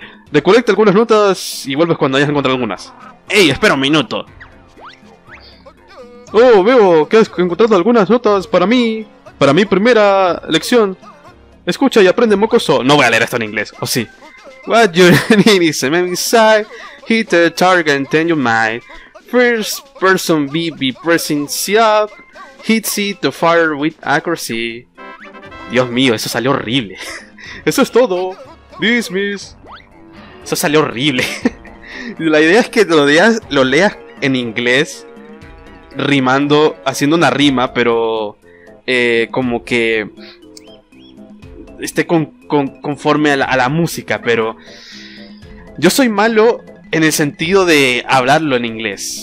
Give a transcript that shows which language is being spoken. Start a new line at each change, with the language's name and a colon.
Spanish: Recolecta algunas notas y vuelves cuando hayas encontrado algunas. ¡Ey! Espera un minuto. Oh, veo que has encontrado algunas notas para mí. Para mi primera lección. Escucha y aprende, mocoso. No voy a leer esto en inglés, o sí.
English: What you need is a man inside. Hit the target and change your mind. First person B, be pressing C up. Hit C to fire with accuracy.
Spanish: Dios mío, eso salió horrible. Eso es todo. Dismiss. Eso salió horrible. La idea es que lo leas en inglés, rimando, haciendo una rima, pero como que esté conforme a la música, pero yo soy malo en el sentido de hablarlo en inglés.